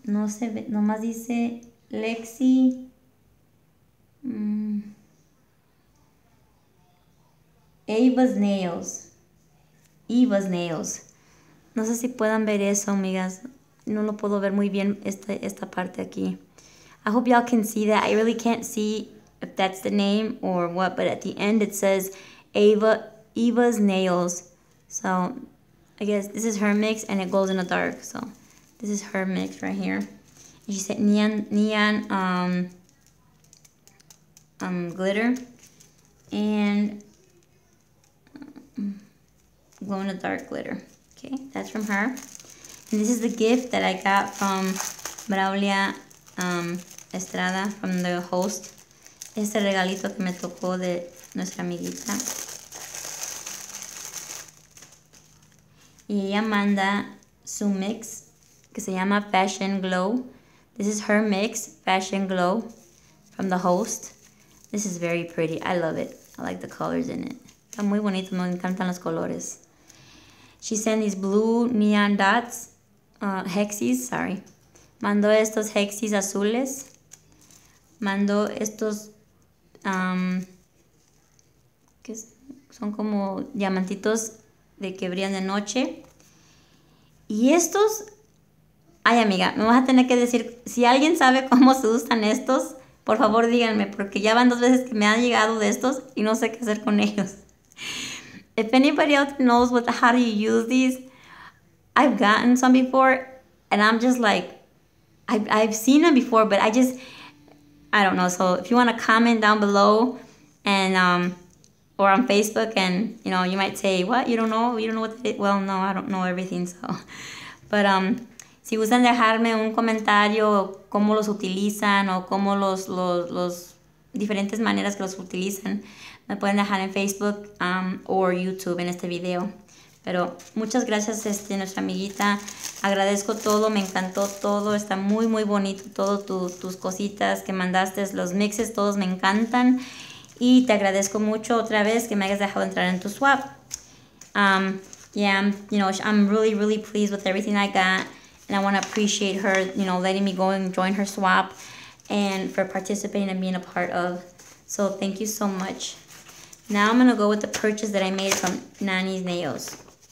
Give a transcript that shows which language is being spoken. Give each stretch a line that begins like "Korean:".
Spanish: No se ve, nomás dice Lexi. Ava's Nails. Ava's Nails. No sé si puedan ver eso, amigas. No lo puedo ver muy bien esta parte aquí.
English: I hope y'all can see that. I really can't see if that's the name or what, but at the end it says Ava's Nails. So I guess this is her mix and it goes in the dark. So this is her mix right here. And she said neon glitter and glow in the dark glitter. Okay, that's from her. And this is the gift that I got from Brauly Estrada, from the host.
Spanish: Este regalito que me tocó de nuestra amiguita. Y ella manda su mix que se llama Fashion Glow.
English: This is her mix, Fashion Glow, from The Host. This is very pretty. I love it. I like the colors in it.
Spanish: Está muy bonito. Me encantan los colores.
English: She sent these blue neon dots, hexies, sorry.
Spanish: Mandó estos hexies azules. Mandó estos, que son como diamantitos de que brillan de noche. Y estos, ay amiga, me vas a tener que decir, si alguien sabe cómo se usan estos, por favor díganme, porque ya van dos veces que me han llegado de estos y no sé qué hacer con ellos.
English: If anybody else knows what, how you use these, I've gotten some before, and I'm just like, I've seen them before, but I don't know. So if you want to comment down below, and or on Facebook, and you know, you might say, what, you don't know? You don't know what? Well, no, I don't know everything. So, but
Spanish: si gustan dejarme un comentario, cómo los utilizan o cómo los diferentes maneras que los utilizan. Me pueden dejar en Facebook
English: or
Spanish: YouTube en este video. Pero muchas gracias, nuestra amiguita. Agradezco todo. Me encantó todo. Está muy, muy bonito. Todo tus cositas que mandaste. Los mixes, todos me encantan. Y te agradezco mucho otra vez que me hayas dejado entrar en tu swap.
English: Yeah, you know, I'm really, really pleased with everything I got. And I want to appreciate her, you know, letting me go and join her swap. And for participating and being a part of. So thank you so much. Now I'm going to go with the purchase that I made from Nani's Nails.